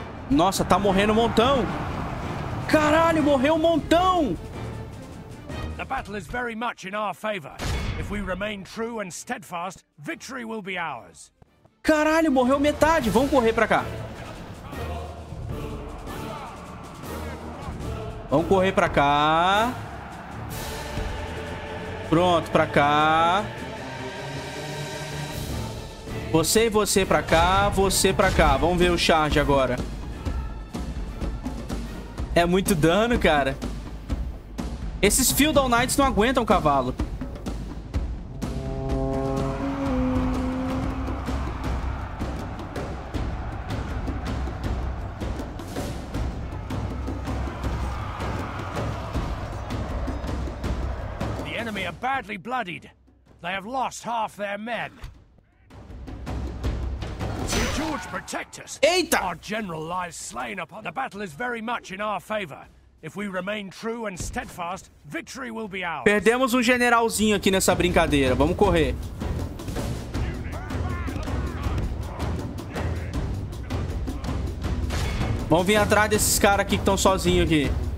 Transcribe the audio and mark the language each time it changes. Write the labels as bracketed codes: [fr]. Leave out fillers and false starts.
[pt] Nossa, tá morrendo um montão. Caralho, morreu um montão. [en] The battle is very much in our favor. If we remain true and steadfast, victory will be ours. [pt] Caralho, morreu metade. Vamos correr pra cá. Vamos correr pra cá. Pronto, pra cá. Você e você pra cá, você pra cá. Vamos ver o charge agora. É muito dano, cara. Esses Feudal Knights não aguentam cavalo. [en] The enemy are badly bloodied. They have lost half their men. George, protect us. [pt] Eita! [en] Our general lies slain upon the battle is very much in our favor. If we remain true and steadfast, victory will be ours. [pt] Perdemos um generalzinho aqui nessa brincadeira. Vamos correr. Vamos vir atrás desses caras aqui que estão sozinhos aqui.